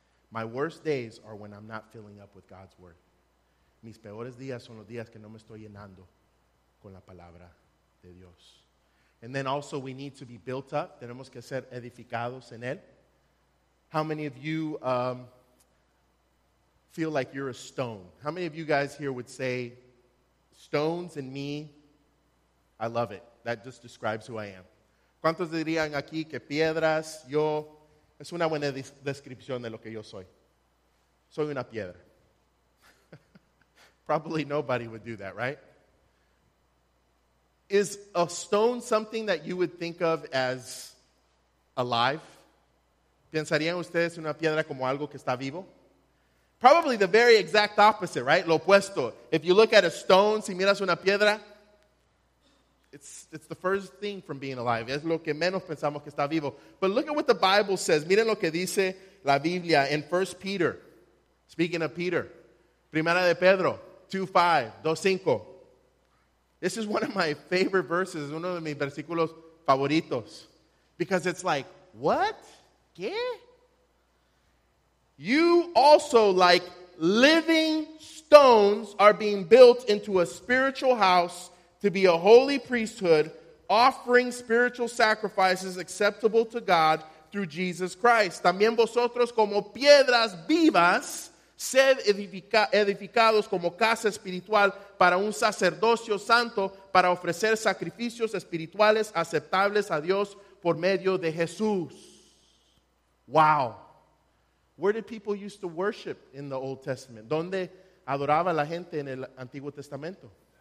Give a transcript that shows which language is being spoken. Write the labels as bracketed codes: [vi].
[en] My worst days are when I'm not filling up with God's word. [es] Mis peores días son los días que no me estoy llenando con la palabra de Dios. [en] And then also we need to be built up. [es] Tenemos que ser edificados en él. [en] How many of you feel like you're a stone? How many of you guys here would say, stones and me, I love it. That just describes who I am. [es] ¿Cuántos dirían aquí que piedras, yo? Es una buena descripción de lo que yo soy. Soy una piedra. [en] Probably nobody would do that, right? Is a stone something that you would think of as alive? [es] ¿Pensarían ustedes una piedra como algo que está vivo? [en] Probably the very exact opposite, right? [es] Lo opuesto. [en] If you look at a stone, [es] si miras una piedra, [en] it's the first thing from being alive. [es] Es lo que menos pensamos que está vivo. [en] But look at what the Bible says. [es] Miren lo que dice la Biblia [en] in 1 Peter. Speaking of Peter, [es] Primera de Pedro, [en] 2:5. This is one of my favorite verses, [es] uno de mis versículos favoritos. [en] Because it's like, what? [es] ¿Qué? [en] You also, like living stones, are being built into a spiritual house to be a holy priesthood, offering spiritual sacrifices acceptable to God through Jesus Christ. [es] También vosotros como piedras vivas, sed edificados como casa espiritual para un sacerdocio santo, para ofrecer sacrificios espirituales aceptables a Dios por medio de Jesús. [en] Wow. Where did people used to worship in the Old Testament? [es] ¿Dónde adoraba la gente en el Antiguo Testamento?